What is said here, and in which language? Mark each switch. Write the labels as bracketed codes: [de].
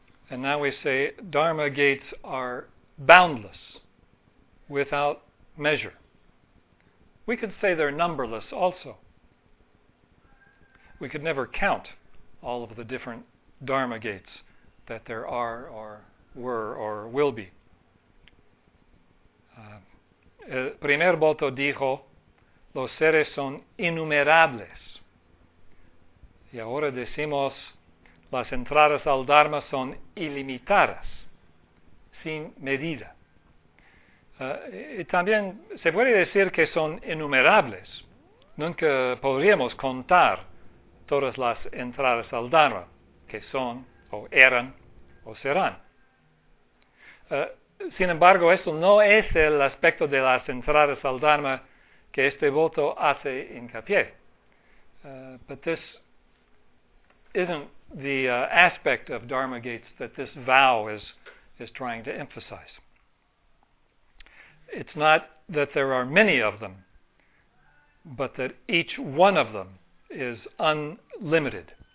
[en] And now we say Dharma gates are boundless, without measure. We could say they're numberless also. We could never count all of the different Dharma gates that there are or were or will be. [es] El primer voto dijo, los seres son innumerables. Y ahora decimos, las entradas al Dharma son ilimitadas, sin medida. Y también se puede decir que son innumerables. Nunca podríamos contar todas las entradas al Dharma. Que son, o eran, o serán. Sin embargo, eso no es el aspecto de las entradas al Dharma que este voto hace hincapié. [en] But this isn't the aspect of Dharma gates that this vow is trying to emphasize. It's not that there are many of them, but that each one of them is unlimited.